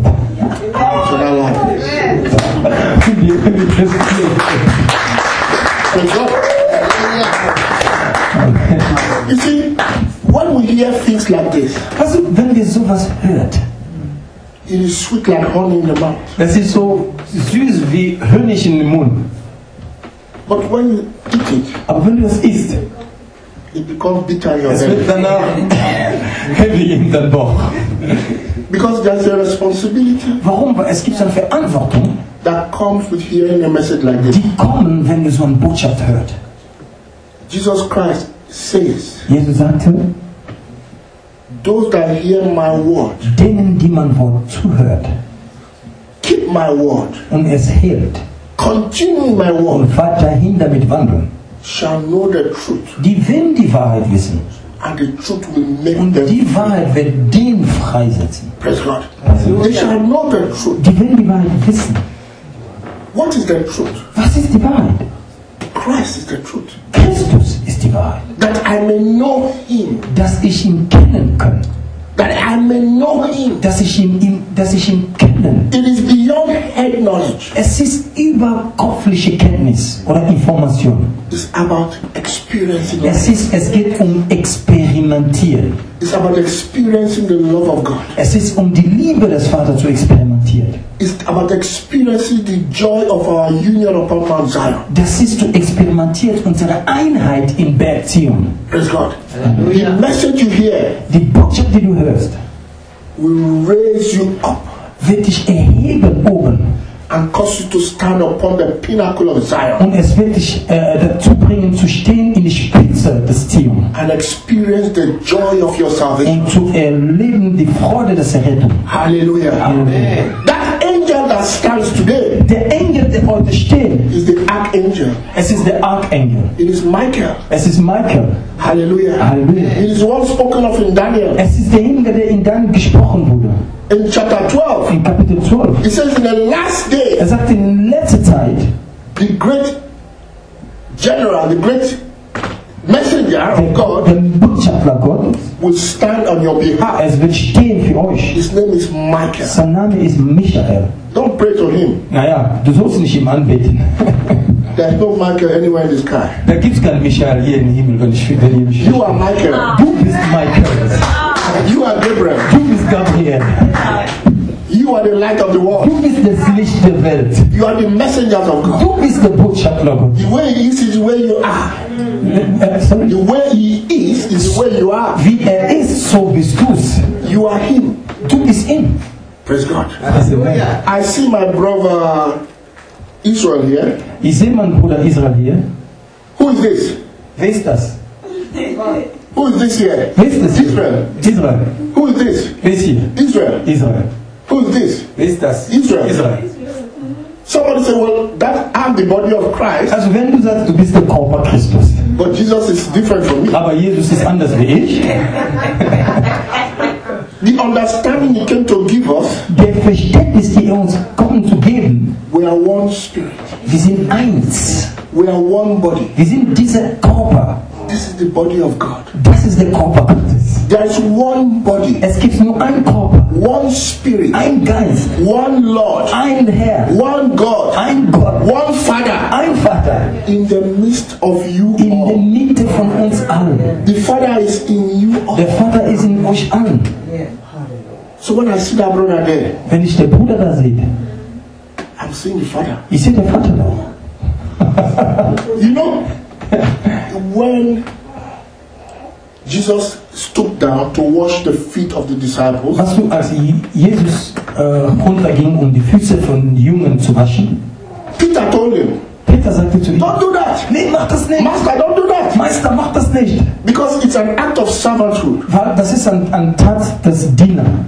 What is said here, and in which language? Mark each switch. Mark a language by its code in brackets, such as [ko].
[en] Eternal life. Praise God. You see, when we hear things like this, [de] also, wenn wir sowas hört, [en] it is sweet like honey in the mouth. [de] Das ist so süß wie Honig in den Mund. [en] But when you eat it, [de] aber wenn du es isst, [en] it becomes bitter in your belly. [de] Es wird danach heavy in den Bauch. [en] Because there's a responsibility. [de] Warum? Weil es gibt so eine Verantwortung, [en] that comes with hearing a message like this. [de] Die kommen, wenn du so eine Botschaft hört. [en] Jesus Christ says, [de] Jesus sagte, [en] those that hear my word, [de] denen, die mein Wort zuhört, [en] keep my word, [de] und es hält, [en] continue my word, [de] und weiterhin damit wandeln, [en] shall know the truth, [de] die werden die Wahrheit wissen, [en] and the truth will make [de] und [en] them [de] die Wahrheit wird den freisetzen. [en] Praise God. They shall know the truth. [de] Die werden die Wahrheit wissen. [en] What is the truth? [de] Was ist die Wahrheit? [en] Christ is the truth. [de] Christus ist die Wahrheit. [en] That I may know him. [de] Dass ich ihn kennen kann. [en] That I may know him. [de] Dass ich ihn kennen. [en] It is beyond head knowledge. [de] Es ist über kopfliche Kenntnis oder Information. [en] It's about experiencing. [de] Es geht um Experimentieren. [en] It's about experiencing the love of God. [de] Es ist um die Liebe des Vaters zu experimentieren. [en] It's about experiencing the joy of our union upon Mount Zion. [de] Das ist zu experimentieren unsere Einheit in Berg Zion. [en] Praise God. The message you hear, [de] die Botschaft, die du hörst, [en] will raise you up, [de] wird dich erheben oben, [en] and cause you to stand upon the pinnacle of Zion. [de] Und es wird dich dazu bringen zu stehen in die Spitze des Zion. [en] And experience the joy of your salvation. [de] Und zu erleben die Freude des Errettung. Halleluja. Amen. [en] Stands today. The angel that [de] heute steht [en] is the archangel. [de] Es ist der Archangel. [en] It is Michael. [de] Es ist Michael. [en] Hallelujah. [de] Hallelujah. [en] It is the one spoken of in Daniel. [de] Es ist der Engel, der in Daniel gesprochen wurde. [en] In chapter 12. [de] In Kapitel 12. [en] It says in the last day. [de] Er sagt in letzter Zeit. [en] The great general, the great messenger of God, the Butcher of God, will stand on your behalf. [de] Es wird stehen für euch. [en] His name is Michael. [de] Sein Name ist Michael. [en] Don't pray to him. [de] Naja, du sollst nicht ihm anbeten. [en] There is no Michael anywhere in the sky. [de] Da gibt's kein Michael hier im Himmel, wenn ich für den Himmel. [en] You are Michael. [de] Du bist Michael. [en] You are Gabriel. [de] Du bist Gabriel. [en] You are the light of the world. [de] Du bist das Licht der Welt. [en] You are the messenger of God. [de] Du bist der Botschafter [en] of God. The way he is where you are. The way he is where you are. [de] Wie ist, so bist du. [en] You are him. [de] Du bist ihm. [en] Praise God. Hallelujah. I see my brother Israel here. [de] Ich sehe meinen Bruder Israel hier. [en] Who is this? [de] Wer ist das? [en] Who is this here? [de] Wer ist das? [en] Israel. [de] Israel. [en] Who is this? [de] Wer ist hier? [en] Israel. [de] Israel. [en] Who is this? [de] Wer ist das? [en] Israel. [de] Israel. [en] Somebody say, well, that I'm the body of Christ. [de] Also wenn du sagst, du bist der Körper Christus. [en] But Jesus is different from me. [de] Aber Jesus ist anders wie ich. [en] The understanding he came to give us. [de] Der Verständnis, die uns kommen zu geben. [en] We are one spirit. [de] Wir sind eins. [en] We are one body. [de] Wir sind dieser Körper. [en] This is the body of God. This is the [de] Körper Gottes. [en] There is one body. [de] Es gibt nur ein Körper. [en] One spirit. [de] Ein Geist. [en] One Lord. [de] Ein Herr. [en] One God. [de] Ein Gott. [en] One Father. [de] Ein Vater. [en] In the midst of you in all. [de] In der Mitte von uns allen. [en] The Father is in you all. [de] Der Vater ist in euch allen. [en] So when I see that brother there, [de] wenn ich den Bruder da sehe, [en] I'm seeing the father. [de] Ich sehe den Vater da. [en] You know, when Jesus stooped down to wash the feet of the disciples. [de] Hast du, als Jesus runterging, um die Füße von Jungen zu waschen? [en] Peter told him. [de] Peter sagte zu ihm. [en] Don't do that. [de] Nee, mach das nicht. [en] Master, don't do that. [de] Meister, mach das nicht. [en] Because it's an act of servanthood. [de] Weil das ist ein Tat des Diener.